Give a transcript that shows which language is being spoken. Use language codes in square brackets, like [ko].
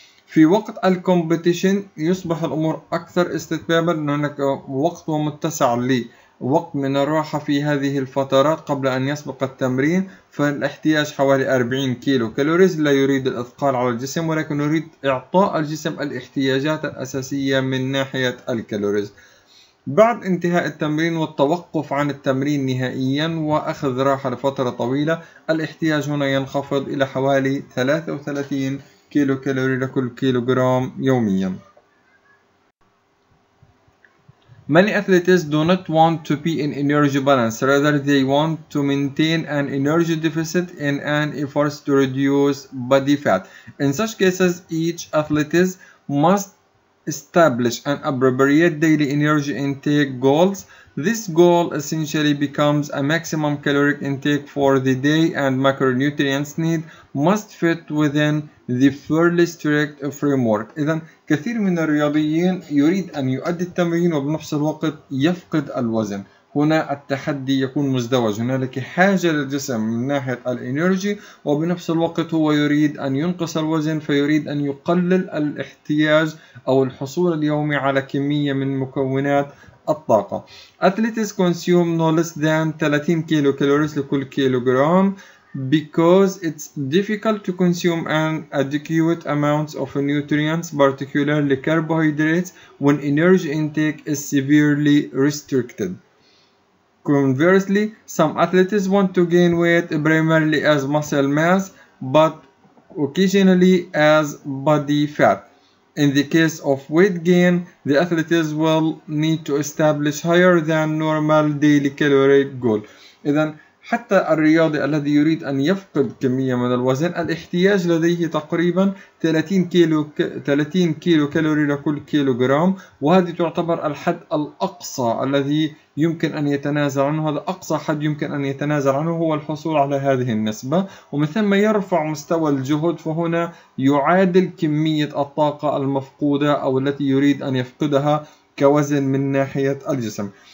[ar] في وقت الكومبيتيشن يصبح الأمور أكثر استتبابا لأن هناك وقت ومتسع لي وقت من الراحة في هذه الفترات قبل أن يسبق التمرين، فالاحتياج حوالي 40 كيلو كالوريز، لا يريد الإثقال على الجسم ولكن يريد إعطاء الجسم الاحتياجات الأساسية من ناحية الكالوريز. بعد انتهاء التمرين والتوقف عن التمرين نهائيا وأخذ راحة لفترة طويلة، الاحتياج هنا ينخفض إلى حوالي 33 كيلو كالوري لكل كيلو جرام يوميا. [en] Many athletes do not want to be in energy balance. Rather, they want to maintain an energy deficit in an effort to reduce body fat. In such cases, each athlete must establish an appropriate daily energy intake goals. This goal essentially becomes a maximum caloric intake for the day, and macronutrients need must fit within the fairly strict framework. [ar] إذن كثير من الرياضيين يريد أن يؤدي التمرين وبنفس الوقت يفقد الوزن. هنا التحدي يكون مزدوج. هنالك حاجة للجسم من ناحية الإنرجي وبنفس الوقت هو يريد أن ينقص الوزن فيريد أن يقلل الاحتياج أو الحصول اليومي على كمية من مكونات الطاقة. [en] Athletes consume no less than 30 [ar] كيلو كالوريز لكل كيلوغرام [en] because it's difficult to consume an adequate amount of nutrients, particularly carbohydrates, when energy intake is severely restricted. Conversely, some athletes want to gain weight primarily as muscle mass, but occasionally as body fat. In the case of weight gain, the athletes will need to establish higher than normal daily caloric goal. [ar] إذن حتى الرياضي الذي يريد أن يفقد كمية من الوزن الاحتياج لديه تقريبا 30 كيلو كالوري لكل كيلوغرام، وهذه تعتبر الحد الأقصى الذي يمكن أن يتنازل عنه. هذا أقصى حد يمكن أن يتنازل عنه هو الحصول على هذه النسبة، ومن ثم يرفع مستوى الجهد، فهنا يعادل كمية الطاقة المفقودة أو التي يريد أن يفقدها كوزن من ناحية الجسم.